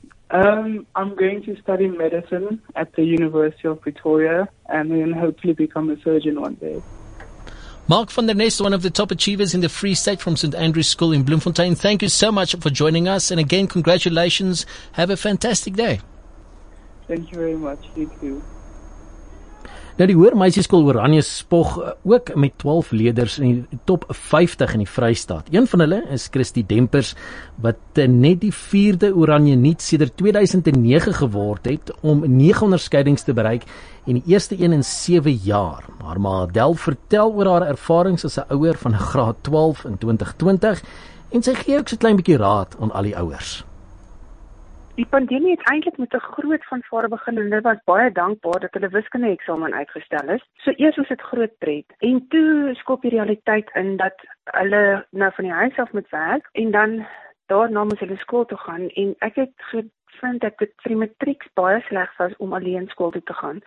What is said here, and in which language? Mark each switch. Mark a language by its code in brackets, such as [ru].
[en] I'm going to study medicine at the University of Pretoria and then hopefully become a surgeon one day. Mark van der Nest, one of the top achievers in the Free State from St. Andrew's School in Bloemfontein. Thank you so much for joining us. And again, congratulations. Have a fantastic day. Thank you very much. You too. [af] Nou, die Hoër Meisieskool Oranje Spog ook met 12 leerders in die top 50 in die Vrystaat. Een van hulle is Christy Dempers, wat net die 4de Oranje Niet sedert 2009 geword het om 9 onderskeidings te bereik en die eerste een in 7 jaar. Maar Adel vertel oor haar ervarings as 'n ouer van graad 12 in 2020 en sy gee ook so 'n klein bietjie raad aan al die ouers. Die pandemie het eintlik met 'n groot fanfare begin en hulle was baie dankbaar dat hulle wiskunde eksamen uitgestel is. So eers was dit groot pret en toe skop die realiteit in dat hulle nou van die huis af moet werk en dan daarna moet hulle skool toe gaan en ek het gevind dat dit vir die matriek baie sleg was om alleen skool toe te gaan.